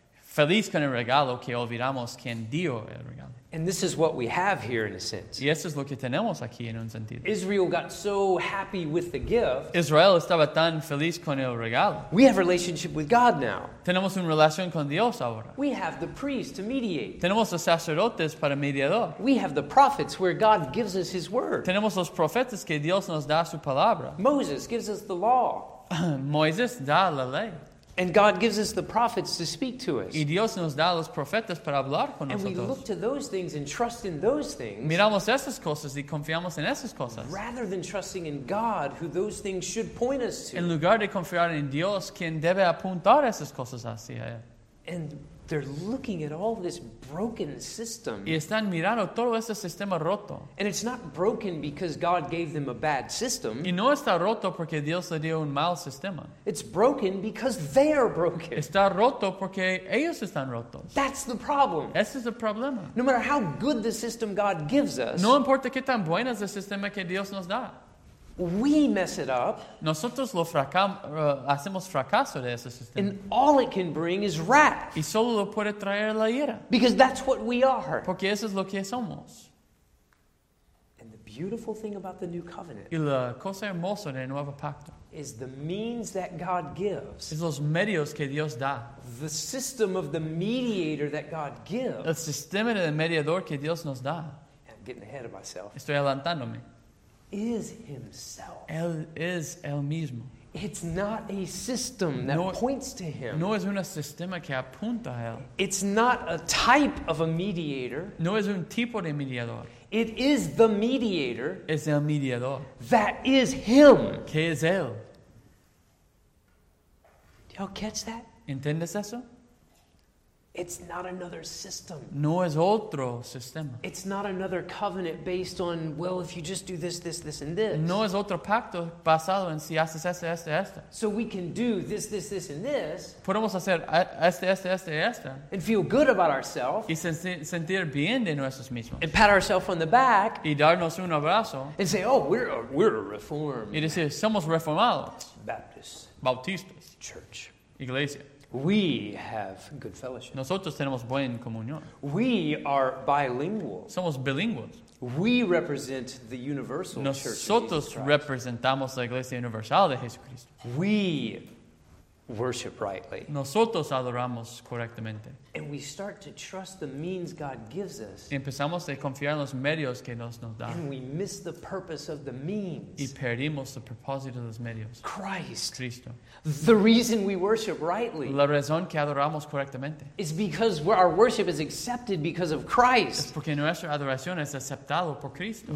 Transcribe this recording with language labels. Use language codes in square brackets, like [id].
[es] feliz con el regalo que olvidamos quién dio el regalo. [en] And this is what we have here in a sense. [es] Y eso es lo que tenemos aquí en un sentido. [en] Israel got so happy with the gift. [es] Israel estaba tan feliz con el regalo. [en] We have a relationship with God now. [es] Tenemos una relación con Dios ahora. [en] We have the priest to mediate. [es] Tenemos los sacerdotes para mediador. [en] We have the prophets where God gives us his word. [es] Tenemos los profetas que Dios nos da su palabra. [en] Moses gives us the law. [es] Moisés da la ley. [en] And God gives us the prophets to speak to us. [es] Y Dios nos da los profetas para hablar con nosotros. [en] And we look to those things and trust in those things. [es] Miramos esas cosas y confiamos en esas cosas. [en] Rather than trusting in God, who those things should point us to. [es] En lugar de confiar en Dios, quien debe apuntar esas cosas hacia él. [en] And they're looking at all this broken system. [es] Y están mirando todo ese sistema roto. [en] And it's not broken because God gave them a bad system. [es] Y no está roto porque Dios le dio un mal sistema. [en] It's broken because they are broken. [es] Está roto porque ellos están rotos. [en] That's the problem. [es] Ese es el problema. [en] No matter how good the system God gives us. [es] No importa qué tan buena es el sistema que Dios nos da. [en] We mess it up. [es] Nosotros lo hacemos fracaso de ese sistema. [en] And all it can bring is wrath. [es] Y solo lo puede traer la ira. [en] Because that's what we are. [es] Porque eso es lo que somos. [en] And the beautiful thing about the new covenant. [es] Y la cosa hermosa del nuevo pacto. [en] Is the means that God gives. [es] Es los medios que Dios da. [en] The system of the mediator that God gives. [es] El sistema del mediador que Dios nos da. [en] I'm getting ahead of myself. [es] Estoy adelantándome. [en] Is himself. [es] Él es el mismo. [en] It's not a system that no, points to him. [es] No es un sistema que apunta a él. [en] It's not a type of a mediator. [es] No es un tipo de mediador. [en] It is the mediator. [es] Es el mediador. [en] That is him. [es] Que es él. [en] Do y'all catch that? [es] ¿Entiendes eso? [en] It's not another system. [es] No es otro sistema. [en] It's not another covenant based on, well, if you just do this, this, this, and this. [es] No es otro pacto basado en si haces este, este, este. [en] So we can do this, this, this, and this. [es] Podemos hacer este, este, este, este. [en] And feel good about ourselves. [es] Y sentir bien de nosotros mismos. [en] And pat ourselves on the back. [es] Y darnos un abrazo. [en] And say, oh, we're a reform. [es] Y decir, somos reformados. [en] Baptists. [es] Bautistas. [en] Church. [es] Iglesia. [en] We have good fellowship. [es] Nosotros tenemos buena comunión. [en] We are bilingual. [es] Somos bilingües. [en] We represent the universal [es] Nosotros [en] church. [es] Nosotros representamos la iglesia universal de Jesucristo. [en] We worship rightly. [es] Nosotros adoramos correctamente. [en] And we start to trust the means God gives us. [es] Y empezamos a confiar en los medios que nos da. [en] And we miss the purpose of the means. [es] Y perdimos el propósito de los medios. [en] Christ. [es] Cristo. [en] The reason we worship rightly. [es] La razón que adoramos correctamente. [en] Is because our worship is accepted because of Christ. [es] Es porque nuestra adoración es aceptado por Cristo.